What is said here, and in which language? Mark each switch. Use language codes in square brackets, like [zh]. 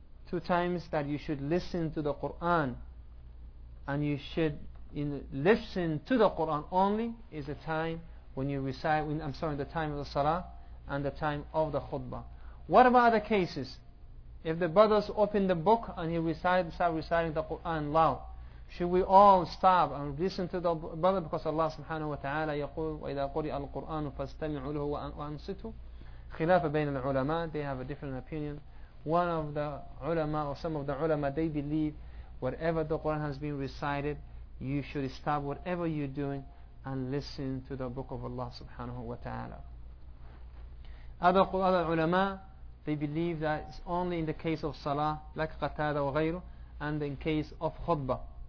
[en] Two times that you should listen to the Quran, and you should in listen to the Quran only is the time when you recite. The time of the Salah and the time of the Khutbah. What about other cases? If the brothers open the book and he recites, start reciting the Quran loud, should we all stop and listen to the brother? Because Allah Subhanahu wa Taala [ar] يقول وإذا قرئ القرآن فاستمعوا له وأنصتوا. خلاف بين العلماء. [en] They have a different opinion. One of the ulama, or some of the ulama, they believe whatever the Quran has been recited, you should stop whatever you're doing and listen to the Book of Allah subhanahu wa ta'ala. Other ulama, they believe that it's only in the case of salah, like qatada or ghayru, and in case of khutbah.